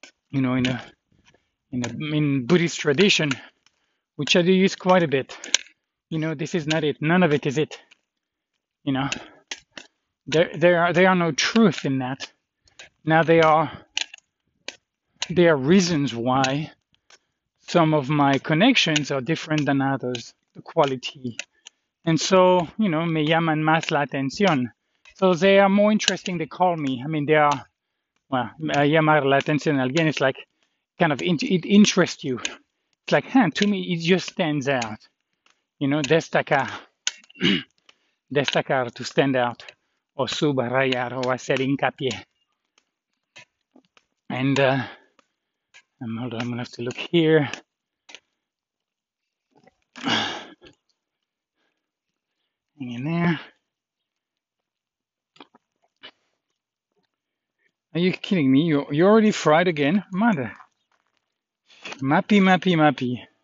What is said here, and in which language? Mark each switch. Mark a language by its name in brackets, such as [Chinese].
[English] You know, in Buddhist tradition, which I do use quite a bit, you know, this is not it. None of it is it. You know, there are no truth in that. Now there are reasons why some of my connections are different than others, the quality. And so, you know, [Spanish] me llaman más la atención. [English] So they are more interesting, they call me. I mean, they are, well, [Spanish] llamar la atención [English] again, it's like, kind of, it interests you. It's like, to me, it just stands out. You know, destacar. Destacar, to stand out. [Spanish] O subrayar, o hacer hincapié. [English] And, hold on, I'm gonna have to look here. Hang in there. Are you kidding me? You already fried again? Mother. Mappy.